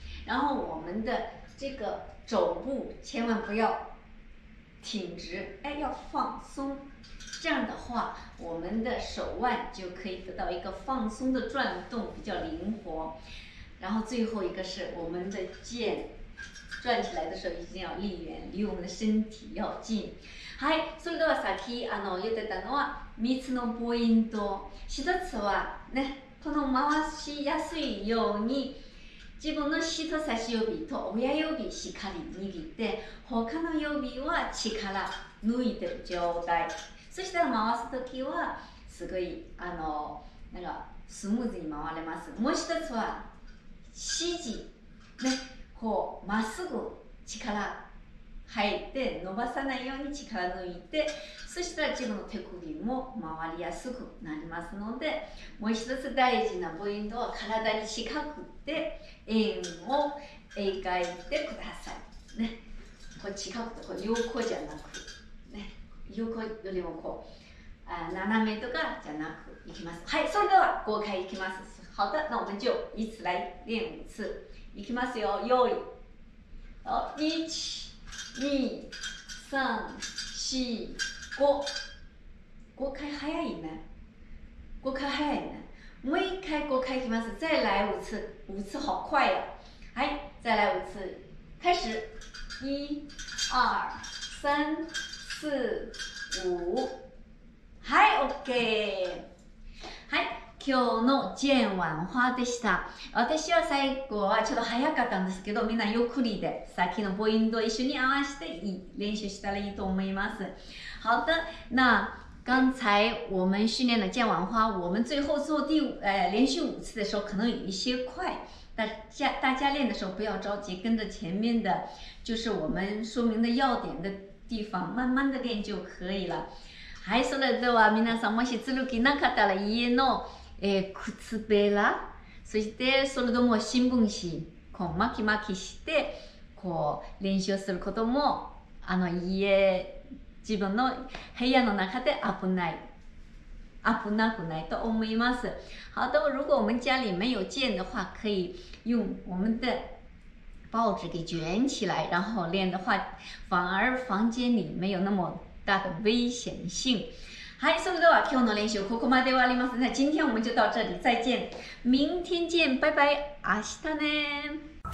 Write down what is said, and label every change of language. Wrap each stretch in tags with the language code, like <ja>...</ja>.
<zh>然后我们的这个肘部千万不要挺直，哎，要放松，这样的话我们的手腕就可以得到一个放松的转动，比较灵活。然后最后一个是我们的剑转起来的时候一定要立圆，离我们的身体要近。</zh> <ja>はい、それでは先あの言ってたのは3つのポイント。一つはね、この回しやすいように自分の人差し指と親指しっかり握って、他の指は力抜いてる状態。そしたら回すときはすごいあのなんかスムーズに回れます。もう一つは指示ね、こうまっすぐ力入って伸ばさないように力抜いて、そしたら自分の手首も回りやすくなりますので、もう一つ大事なポイントは体に近くって円を描いてください、ね、こう近くとこう横じゃなく、ね、横よりもこう斜めとかじゃなくいきます。はい、それでは豪快いきます。</ja> <zh>好的，那我们就一次来练五次。</zh> <ja>いきますよ、よい。</ja> <zh>好，1、2、3、4、5。</zh> <ja>五回早いね。五回早いね。もう一回五回いきます。</ja> <zh>再来五次，五次好快呀。はい、再来五次。开始。 1、2、3、4、5。</zh> <ja>はい、OK。はい。今日の剣腕花でした。私は最後はちょっと早かったんですけど、みんなゆっくりでさっきのポイントを一緒に合わせて練習したらいいと思います。</ja> <zh>好的，那刚才我们训练的剑网花，我们最后做第连续五次的时候，可能有一些快。大家练的时候不要着急，跟着前面的，就是我们说明的要点的地方，慢慢的练就可以了。</zh> <ja>はい、それでは皆さんもし続けなかったら家の靴べら、そしてそれとも新聞紙、こう巻き巻きしてこう練習することも家自分の部屋の中で危なくないと思います。</ja> <zh>好的，如果我们家里没有剑的话，可以用我们的报纸给卷起来，然后练的话，反而房间里没有那么大的危险性。</zh> <ja>はい、それでは今日の練習ここまで終わります。</ja> <zh>那今天我们就到这里，再见，明天见，拜拜，</zh> <ja>明日ね。</ja>